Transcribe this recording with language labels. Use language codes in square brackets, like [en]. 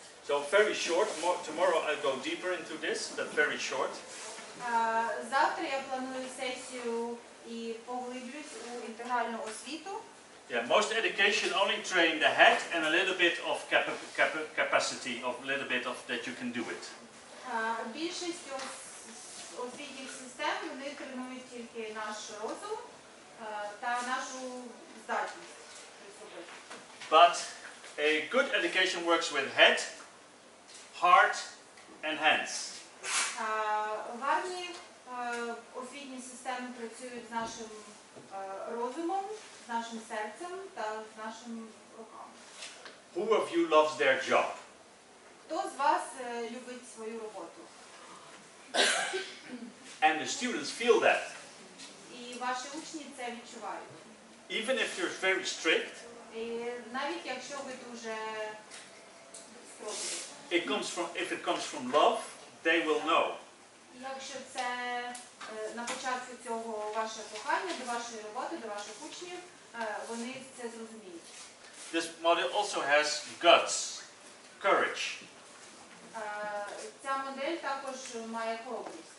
[en] So very short, tomorrow I'll go deeper into this, but very short. [uk] Завтра я планую сесію і поглиблюсь у інтегральну освіту. [en] Yeah, most education only train the head and a little bit of capacity, of a little bit of that you can do it. [uk] Більшість освітніх систем, вони тренують тільки наш розум та нашу здатність. [en] But a good education works with head, heart and hands. [uk] Гарні освітні системи працюють з нашим розумом, з нашим серцем та з нашим руками. [en] Who of you loves their job? [uk] Хто з вас любить свою роботу? [en] And the students feel that. [uk] І ваші учні це відчувають. [en] Even if you're very strict. [uk] І навіть якщо ви дуже строгі. [en] It comes from, if it comes from love, they will know. [uk] Якщо це на початку цього ваше кохання до вашої роботи, до ваших учнів, вони це зрозуміють. [en] This model also has guts, courage. [uk] Ця модель також має хоробрість.